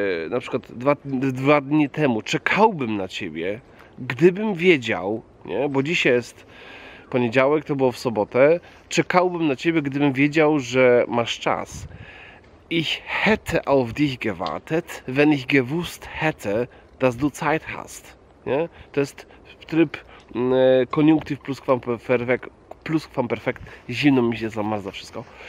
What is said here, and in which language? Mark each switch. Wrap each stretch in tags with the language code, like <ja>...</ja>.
<pl>Na przykład 2 dni temu czekałbym na ciebie, gdybym wiedział, nie? Bo dzisiaj jest poniedziałek, to było w sobotę, czekałbym na ciebie, gdybym wiedział, że masz czas.</pl> <de>Ich hätte auf dich gewartet, wenn ich gewusst hätte, dass du Zeit hast.</de> <pl>Nie? To jest tryb koniunktyw pluskwamperfekt. Zimno mi się zamarza wszystko.</pl>